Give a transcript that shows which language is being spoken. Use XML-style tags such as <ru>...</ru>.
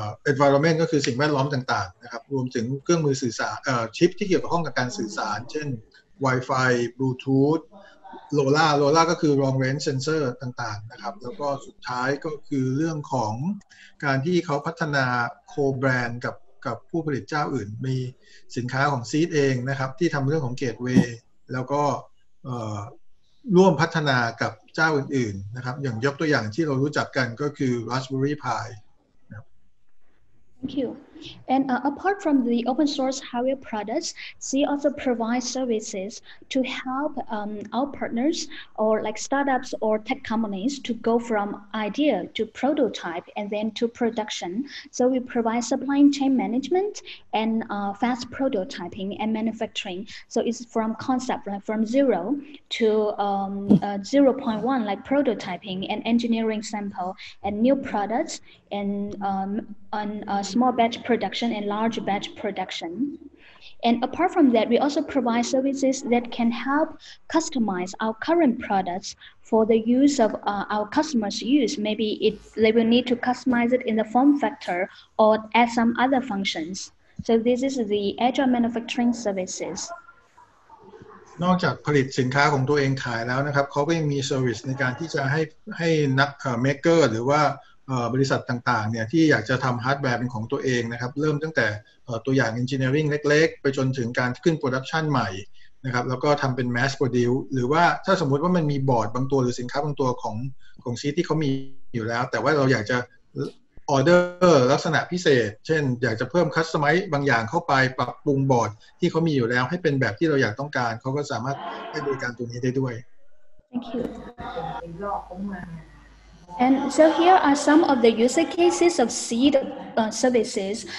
<th>environment ก็คือสิ่งแวดล้อมต่างๆนะครับรวมถึงเครื่องมือสื่อสารชิปที่เกี่ยวข้องกับการสื่อสารเช่น Wi-Fi Bluetooth LoRa ก็คือ long range sensor ต่างๆนะครับแล้วก็สุดท้ายก็คือเรื่องของการที่เขาพัฒนา co brand กับผู้ผลิตเจ้าอื่นมีสินค้าของ Seed เองนะครับที่ทำเรื่องของ gatewayแล้วก็ร่วมพัฒนากับเจ้าอื่นๆนะครับอย่างยกตัวอย่างที่เรารู้จักกันก็คือ Raspberry Pi</th> <en>Thank you and apart from the open source hardware products C also provides services to help our partners or like startups or tech companies to go from idea to prototype and then to production so we provide supply chain management and fast prototyping and manufacturing so it's from concept like from zero to 0.1 like prototyping and engineering sample and new products and on a small batch production and large batch production. And apart from that, we also provide services that can help customize our current products for the use of our customers' use. Maybe they will need to customize it in the form factor or add some other functions. So this is the agile manufacturing services.</en> <th>นอกจากผลิตสินค้าของตัวเองขายแล้วนะครับเขาก็ยังมีเซอร์วิสในการที่จะให้นักเมคเกอร์หรือว่าบริษัทต่างๆเนี่ยที่อยากจะทำฮาร์ดแวร์เป็นของตัวเองนะครับเริ่มตั้งแต่ตัวอย่างเอนจิเนียริ่งเล็กๆไปจนถึงการขึ้นโปรดักชันใหม่นะครับแล้วก็ทำเป็นแมสโปรดิวหรือว่าถ้าสมมุติว่ามันมีบอร์ดบางตัวหรือสินค้าบางตัวของซีที่เขามีอยู่แล้วแต่ว่าเราอยากจะ ออเดอร์ลักษณะพิเศษเช่นอยากจะเพิ่มคัสตอมไมซ์บางอย่างเข้าไปปรับปรุงบอร์ดที่เขามีอยู่แล้วให้เป็นแบบที่เราอยากต้องการเขาก็สามารถให้บริการตัวนี้ได้ด้วย</th> <en>Thank you And so here are some of the user cases of Seed services.</en>